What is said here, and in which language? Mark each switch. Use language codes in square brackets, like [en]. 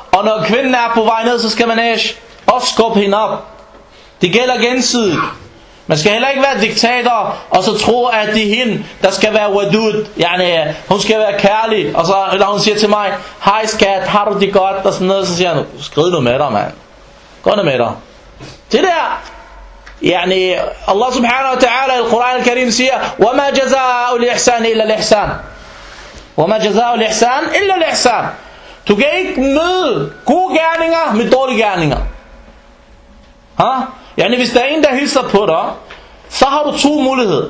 [da] Og når kvinden er på vej ned, så skal man også skubbe hende op. Det gælder gensidigt. Man skal heller ikke være diktator, og så tro, at det er hende, der skal være wadud. Yani, hun skal være kærlig. Og så når hun siger til mig, hej skat, har du det godt? Og sådan noget, så siger han, skrid nu med dig, mand. Gå nu med dig. Det der. Yani, Allah subhanahu wa ta'ala i Quran al-Karim siger, [ar] وَمَا جَزَاءُ الْإِحْسَانِ إِلَّا الْإِحْسَانِ وَمَا جَزَاءُ الْإِحْسَانِ إِلَّا الْإِحْسَانِ. [da] Du kan ikke møde gode gerninger med dårlige gerninger. Ha? Yani, hvis der er en, der hilser på dig, så har du to muligheder.